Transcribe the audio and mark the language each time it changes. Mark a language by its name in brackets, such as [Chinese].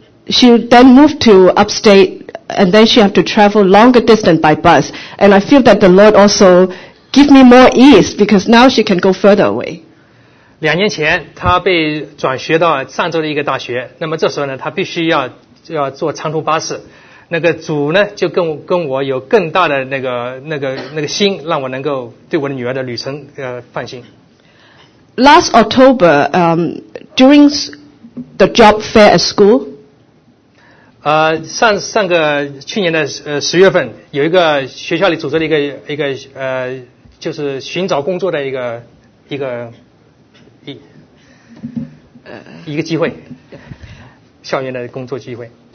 [English] She then moved to upstate, and then she have to travel longer distance by bus. And I feel that the Lord also give me more ease because now she can go further away. [Chinese] 两年前他被转学到上州的一个大学，那么这时候呢他必须要坐长途巴士，那个主呢就跟我有更大的那个心，让我能够对我的女儿的旅程放心。 [English] Last October, during the job fair at school, [Chinese] 上个去年的十月份有一个学校里组织的一个就是寻找工作的一个机会，校园的工作机会。